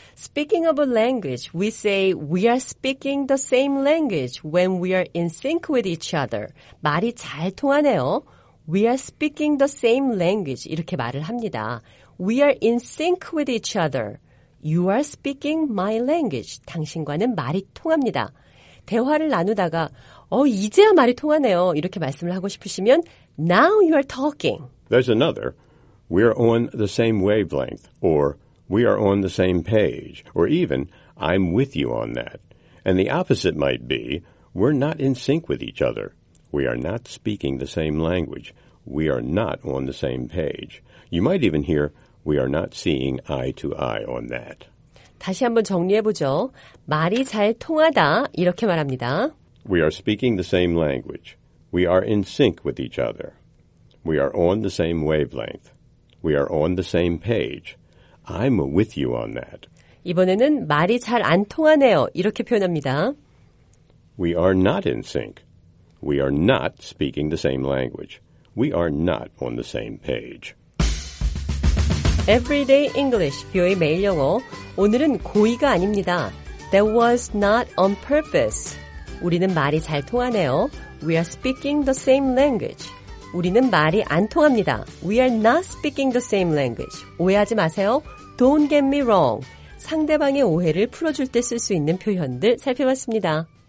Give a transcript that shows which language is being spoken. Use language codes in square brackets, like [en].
[en] Speaking of a language, we say we are speaking the same language when we are in sync with each other. [ko] 말이 잘 통하네요. [en] We are speaking the same language. [ko] 이렇게 말을 합니다. [en] We are in sync with each other. You are speaking my language. [ko] 당신과는 말이 통합니다. 대화를 나누다가 이제야 말이 통하네요. 이렇게 말씀을 하고 싶으시면 [en] Now you are talking. There's another. We are on the same wavelength. Or we are on the same page. Or even I'm with you on that. And the opposite might be we're not in sync with each other. We are not speaking the same language. We are not on the same page. You might even hear we are not seeing eye to eye on that. [ko] 다시 한번 정리해보죠. 말이 잘 통하다 이렇게 말합니다. [en] We are speaking the same language. We are in sync with each other. We are on the same wavelength. We are on the same page. I'm with you on that. [ko] 이번에는 말이 잘 안 통하네요. 이렇게 표현합니다. [en] We are not in sync. We are not speaking the same language. We are not on the same page. [ko] Everyday English, 뷰의 매일 영어. 오늘은 고의가 아닙니다. [en] That was not on purpose. [ko] 우리는 말이 잘 통하네요. [en] We are speaking the same language. [ko] 우리는 말이 안 통합니다. [en] We are not speaking the same language. [ko] 오해하지 마세요. [en] Don't get me wrong. [ko] 상대방의 오해를 풀어줄 때 쓸 수 있는 표현들 살펴봤습니다.